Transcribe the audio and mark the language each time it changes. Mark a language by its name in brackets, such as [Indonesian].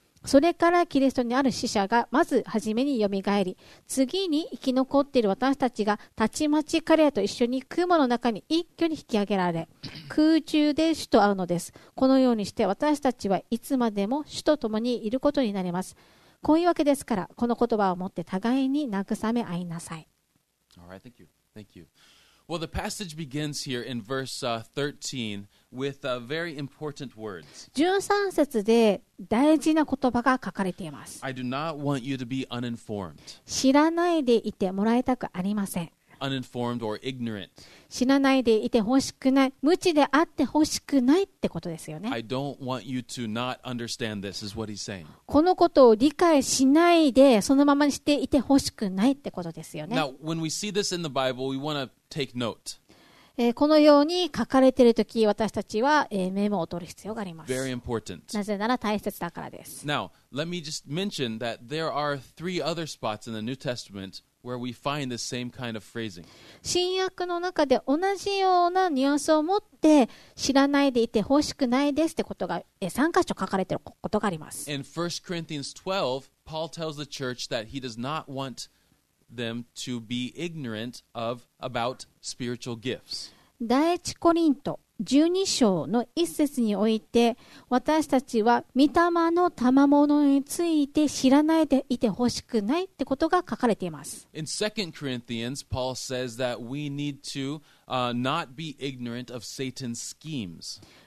[Japanese] それからキリストにある死者がまず初めによみがえり、次に生き残っている私たちがたちまち彼らと一緒に雲の中に一挙に引き上げられ、空中で主と会うのです。このようにして私たちはいつまでも主と共にいることになります。こういうわけですから、この言葉をもって互いに慰め合いなさい。 [English] All right, thank you. Thank you. Well, the passage begins here in verse 13With very important words. [Japanese] 13節で大事な言葉が書かれています。 [English] I do not want you to be uninformed. [Japanese] 知らないでいてもらいたくありません。 [English] Uninformed or ignorant. [Japanese] 知らないでいてほしくない、無知であってほしくないってことですよね。 [English] I don't want you to not understand this, is what he's saying. [Japanese] このことを理解しないで、そのままにしていてほしくないってことですよね。 [English] Now, when we see this in the Bible, we want to take note. [Japanese] このように書かれているとき、私たちは、メモを取る必要があります。 [English] Very important. [Japanese] なぜなら大切だからです。 [English] Now, let me just mention that there are three other spots in the New Testament where we find the same kind of phrasing. [Japanese] 新約の中で同じようなニュアンスを持って知らないでいてほしくないですってことが、3箇所書かれていることがあります。 [English] In 1 Corinthians 12, Paul tells the church that he does not want them to be ignorant of about spiritual gifts. [Japanese] 第一コリント12章の1節において、私たちは御霊の賜物について知らないでいてほしくないってことが書かれています。 [English] In 2 Corinthians, Paul says that we need to not be ignorant of Satan's schemes.